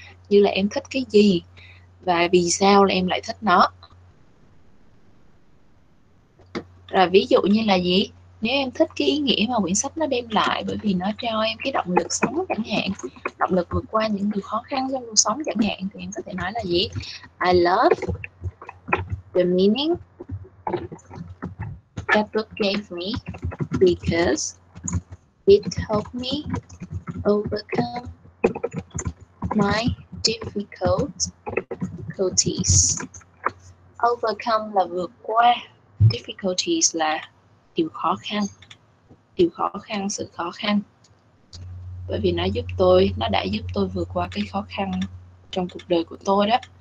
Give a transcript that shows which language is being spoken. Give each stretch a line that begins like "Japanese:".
Vietnamese: Như là em thích cái gì và vì sao là em lại thích nó. Rồi ví dụ như là gì? Nếu em thích cái ý nghĩa mà quyển sách nó đem lại bởi vì nó cho em cái động lực sống chẳng hạn, động lực vượt qua những điều khó khăn trong cuộc sống chẳng hạn, thì em có thể nói là gì?
English: I love the meaning that book gave me because it helped me overcome my difficult difficulties.
Vietnamese: Overcome là vượt qua, difficulties là điều khó khăn, điều khó khăn, sự khó khăn, bởi vì nó giúp tôi, nó đã giúp tôi vượt qua cái khó khăn trong cuộc đời của tôi đó.